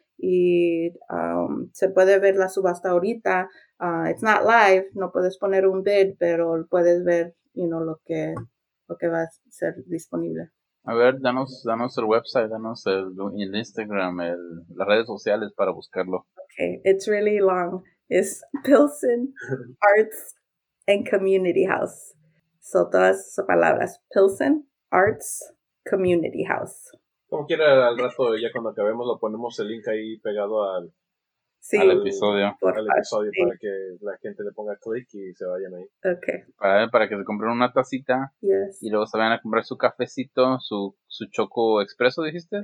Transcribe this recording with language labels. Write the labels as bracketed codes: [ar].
[es] Y se puede ver la subasta ahorita. [en] It's not live. [es] No puedes poner un bid, pero puedes ver lo que va a ser disponible. A ver, danos el website, danos el Instagram, las redes sociales para buscarlo. [en] Okay, it's really long. It's Pilsen Arts and Community House. [es] So todas sus palabras, Pilsen Arts Community House. Como quiera, al rato ya cuando acabemos lo ponemos el link ahí pegado al episodio. Al episodio, sí. Para que la gente le ponga click y se vayan ahí. [en] Okay. [es] Para que se compren una tacita. [en] Yes. [es] Y luego se vayan a comprar su cafecito, su choco expreso, dijiste.